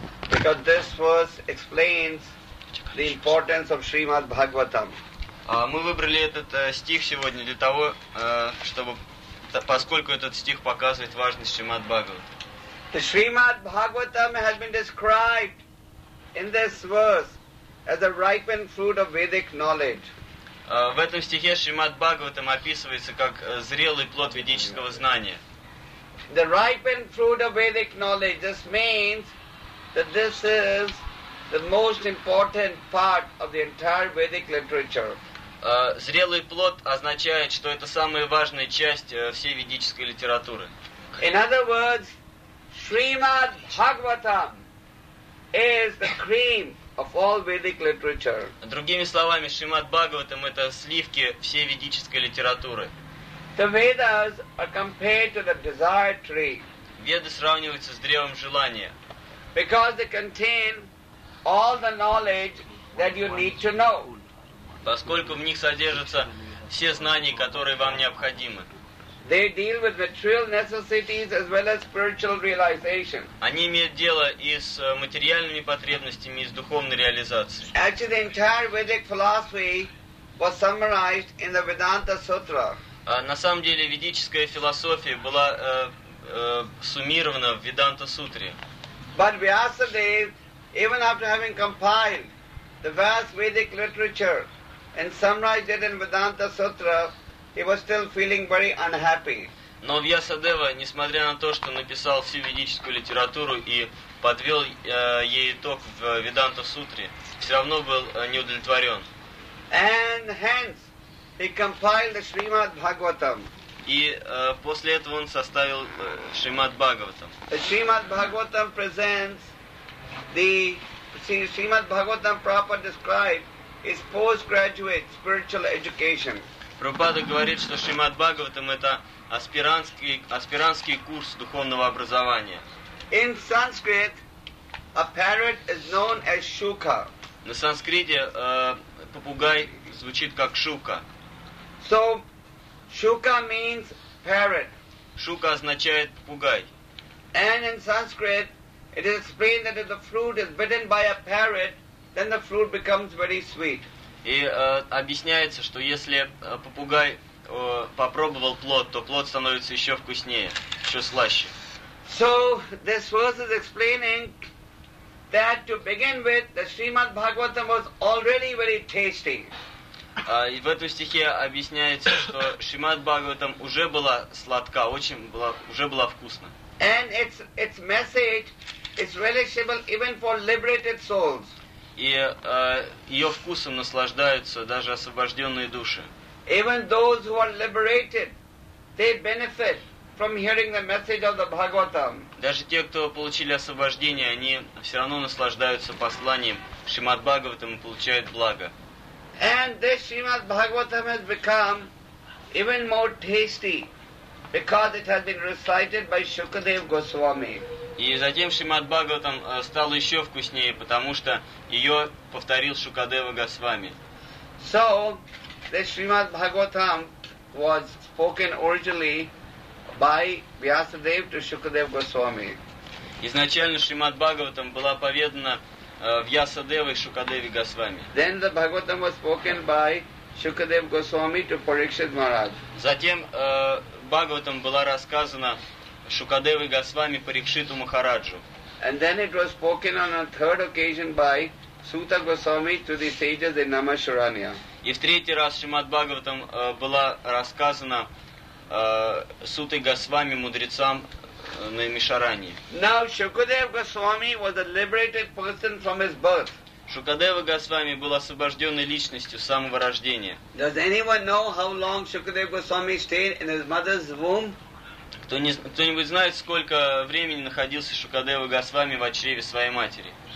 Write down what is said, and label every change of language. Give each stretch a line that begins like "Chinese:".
English: Because this verse explains the importance of Srimad Bhagavatam.
Russian: Мы выбрали этот стих сегодня для того, чтобы, поскольку этот стих показывает важность Шримад Бхагаватам.
English: The Srimad Bhagavatam has been described in this verse as a ripened fruit of Vedic knowledge.
Russian: В этом стихе Шримад Бхагаватам описывается как зрелый плод ведического знания.
English: The ripened fruit of Vedic knowledge just means that this is the most important part of the entire Vedic literature.
Russian: Зрелый плод означает, что это самая важная часть всей ведической литературы.
English: In other words, Srimad Bhagavatam is the cream of all Vedic literature.
Russian: Другими словами, Шримад Бхагаватам — это сливки всей ведической литературы.
English: The Vedas are compared to the desire tree.
Russian: Веды сравниваются с древом желания.
English: Because they contain all the knowledge that you need to know.
Russian: Поскольку в них содержатся все знания, которые вам необходимы.
English: They deal with material necessities as well as spiritual realization.
Russian: Они имеют дело и с материальными потребностями, и с духовной реализацией.
English: Actually, the entire Vedic philosophy was summarized in the Vedanta Sutra.
Russian: На самом деле, ведическая философия была суммирована в Веданта Сутре.
English: But Vyasadev, even after having compiled the vast Vedic literature and summarized it in Vedanta Sutra, he was still feeling very unhappy.
Russian: Но Вьясадева, несмотря на то, что написал всю ведическую литературу и подвел ей итог в Веданта Сутре, все равно был неудовлетворен.
English: And hence he compiled the Srimad Bhagavatam.
Russian: И после этого он составил Шримад Бхагаватам.
English: Шримад Бхагаватам presents the Шримад Бхагаватам proper described is postgraduate spiritual education.
Russian: Прабхупада говорит, что Шримад Бхагаватам — это аспирантский курс духовного образования.
English: In Sanskrit, a parrot is known as Shuka.
Russian: На санскрите попугай звучит как Шука.
English: So Shuka means parrot.
Russian: Шука означает попугай.
English: And in Sanskrit, it is explained that if the fruit is bitten by a parrot, then the fruit becomes very sweet.
Russian: И объясняется, что если попугай попробовал плод, то плод становится еще вкуснее, еще слаще.
English: So this verse is explaining that to begin with, the Srimad Bhagavatam was already very tasty.
Russian: И в этом стихе объясняется, что Шримад Бхагаватам уже была сладка, уже была вкусна.
English: And its message is relishable even for liberated souls.
Russian: и ее вкусом наслаждаются даже освобожденные души.
English: Even those who are liberated, they benefit from hearing the message of the Bhagavatam.
Russian: Даже те, кто получили освобождение, они все равно наслаждаются посланием Шримад Бхагаватам и получают благо.
English: And this Shrimad Bhagavatam has become even more tasty because it has been recited by Shukadev Goswami.
Russian: И затем Шримад Бхагаватам стал еще вкуснее, потому что ее повторил Шукадева Госвами.
English: So the Shrimad Bhagavatam was spoken originally by Vyasadev to Shukadev Goswami.
Russian: Изначально Шримад Бхагаватам была поведана Вьясадевой Шукадеве Госвами.
English: Then the Bhagavatam was spoken by Shukadev Goswami to Parikshit Maharaj.
Russian: Затем Бхагаватам была рассказана Шукадевой Госвами Парикшиту Махараджу.
English: And then it was spoken on a third occasion by Suta Goswami to the sages in Namasharanya.
Russian: И в третий раз Шримад Бхагаватам была рассказана Сутой Госвами мудрецам на Мишаране.
English: Now Shukadev Goswami was a liberated person from his birth.
Russian: Шукадева Госвами был освобожденной личностью с самого рождения.
English: Does anyone know how long Shukadev Goswami stayed in his mother's womb?
Russian: Кто-нибудь знает, сколько времени находился Шукадева Госвами в чреве своей матери?